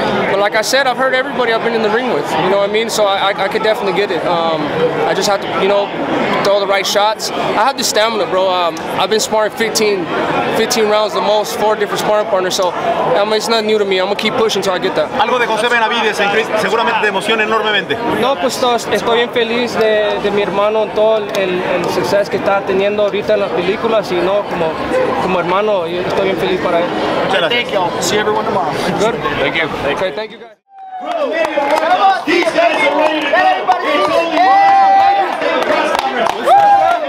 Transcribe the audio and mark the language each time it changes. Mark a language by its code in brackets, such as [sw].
[en] But like I said, I've heard everybody I've been in the ring with, you know what I mean? So I could definitely get it. I just have to, you know, throw the right shots. I have the stamina, bro. I've been sparring 15 rounds the most, four different sparring partners, so it's not new to me. I'm going to keep pushing until I get that. [es] Algo de José Benavidez, seguramente te emociona enormemente. No, pues estoy bien feliz de mi hermano en todo el success que está teniendo ahorita en las películas, y no, como hermano, estoy bien feliz para él. Muchas gracias. [en] Thank you. See everyone tomorrow. Good. Thank you. Okay, thank you guys. These guys are ready to go. It's only one.